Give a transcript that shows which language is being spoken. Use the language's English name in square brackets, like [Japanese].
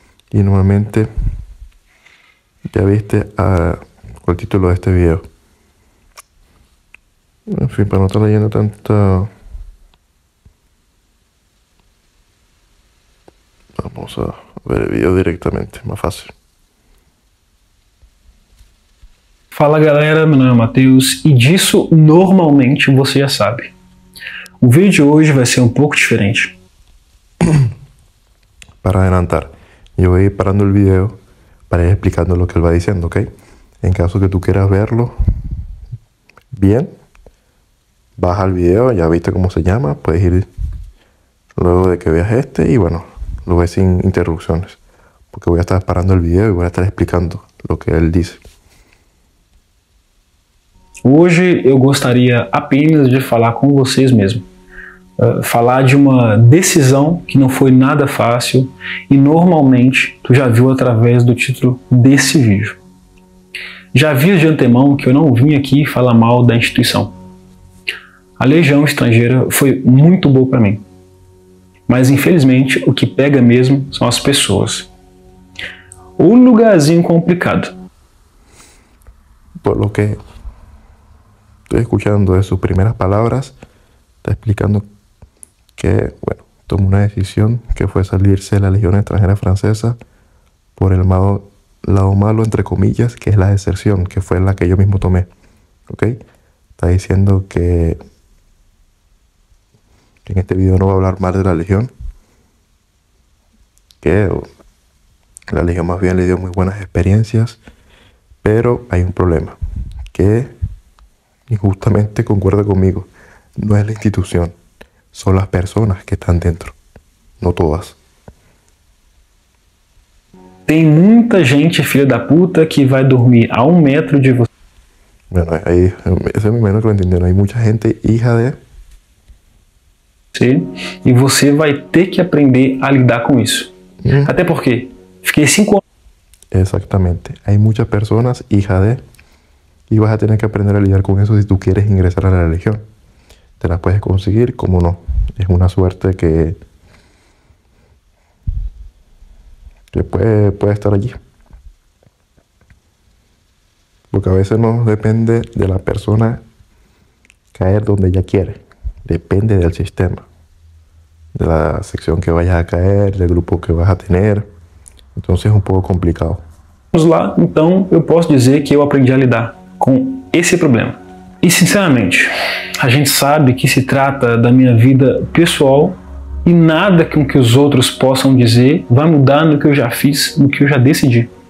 [Spanish] Y normalmente ya viste el título de este video. En fin, para no estar leyendo tanto. Vamos a ver el video directamente, más fácil. [Portuguese] Fala galera, meu nome é Matheus e disso normalmente você já sabe. O vídeo de hoje vai ser um pouco diferente. [Spanish] Para adelantar, yo voy a ir parando el video para ir explicando lo que él va diciendo, ¿ok? En caso que tú quieras verlo bien, baja el video, ya viste cómo se llama, puedes ir luego de que veas este y bueno, lo ves sin interrupciones, porque voy a estar parando el video y voy a estar explicando lo que él dice. [Portuguese] Hoje eu gostaria apenas de falar com vocês mesmo. Falar de uma decisão que não foi nada fácil e normalmente tu já viu através do título desse vídeo. Já vi de antemão que eu não vim aqui falar mal da instituição. A Legião Estrangeira foi muito boa para mim. Mas infelizmente o que pega mesmo são as pessoas. Um lugarzinho complicado. [Spanish] Por lo que escuchando de sus primeras palabras, está explicando que, bueno, tomó una decisión que fue salirse de la Legión Extranjera Francesa por el lado malo, entre comillas, que es la deserción, que fue la que yo mismo tomé. ¿Ok? Está diciendo que en este video no va a hablar mal de la Legión, que la Legión más bien le dio muy buenas experiencias, pero hay un problema, que y justamente concuerda conmigo, no es la institución, son las personas que están dentro, no todas. [Portuguese] Tem muita gente, filha da puta, que vai dormir [Spanish] a un metro [Portuguese] de você. [Spanish] Bueno, ahí, eso es lo menos que lo entendieron. Hay mucha gente hija de. Sí, y [Portuguese] você vai ter que aprender a lidar [Spanish] con eso. [Portuguese] Até porque, fiquei 5 anos. [Spanish] Exactamente. Hay muchas personas, hija de, y vas a tener que aprender a lidiar con eso si tú quieres ingresar a la religión. Te las puedes conseguir, cómo no. Es una suerte que puede estar allí. Porque a veces no depende de la persona caer donde ella quiere. Depende del sistema, de la sección que vayas a caer, del grupo que vas a tener. Entonces es un poco complicado. [Portuguese] Vamos lá, então eu posso dizer que eu aprendi a lidar com esse problema. E sinceramente, a gente sabe que se trata da minha vida pessoal e nada com que os outros possam dizer vai mudar no que eu já fiz, no que eu já decidi.